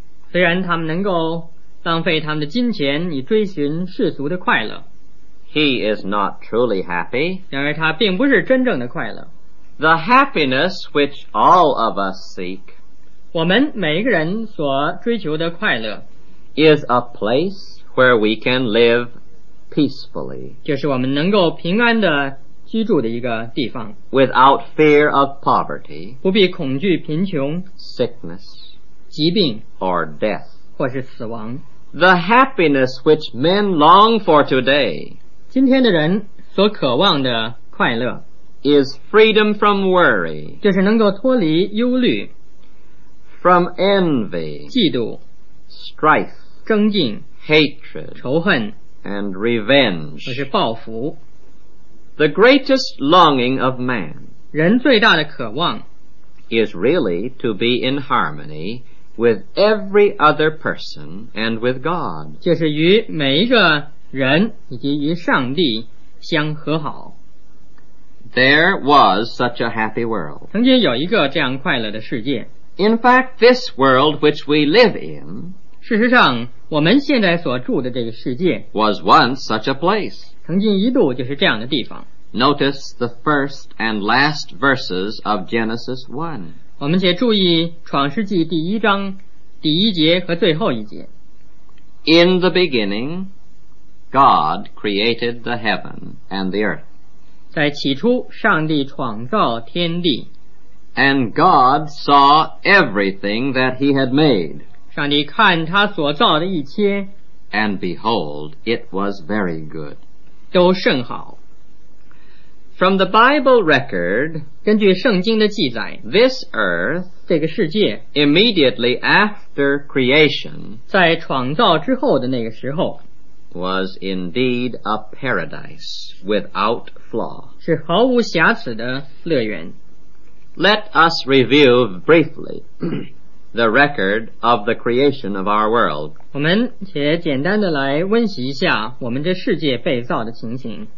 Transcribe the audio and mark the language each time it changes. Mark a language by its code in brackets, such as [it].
[zh] 虽然他们能够浪费他们的金钱以追寻世俗的快乐。 [en] He is not truly happy. [zh] 然而他并不是真正的快乐。 [en] The happiness which all of us seek, [zh] 我们每一个人所追求的快乐 [en] is a place where we can live peacefully. [zh] 就是我们能够平安地居住的一个地方。 [en] Without fear of poverty, [zh] 不必恐惧贫穷 [en] sickness, [zh] 疾病 [en] or death, [zh] 或是死亡。 [en] The happiness which men long for today, [zh] 今天的人所渴望的快乐 [en] is freedom from worry, [zh] 就是能够脱离忧虑 [en] from envy, [zh] 嫉妒 [en] strife, [zh] 争竞 [en] hatred, [zh] 仇恨 [en] and revenge, [zh] 或是报复 [en] The greatest longing of man, [zh] 人最大的渴望 [en] is really to be in harmony with every other person and with God, [zh] 就是与每一个人以及与上帝相和好。 [en] There was such a happy world. [zh] 曾经有一个这样快乐的世界。 [en] In fact, this world which we live in, [zh] 事实上我们现在所住的这个世界 [en] was once such a place. [zh] 曾经一度就是这样的地方。 [en] Notice the first and last verses of Genesis 1. [zh] 我们且注意创世纪第一章第一节和最后一节。 [en] In the beginning, God created the heaven and the earth. [zh] 在起初上帝创造天地 [en] And God saw everything that he had made [zh] 上帝看他所造的一切 [en] And behold, it was very good [zh] 都甚好 [en] From the Bible record [zh] 根据圣经的记载 [en] This earth [zh] 这个世界 [en] Immediately after creation [zh] 在创造之后的那个时候 [en] was indeed a paradise without flaw. [zh] 是毫无瑕疵的乐园。 [en] Let us review briefly the record of the creation of our world. [zh] 我们且简单的来温习一下我们这世界被造的情形。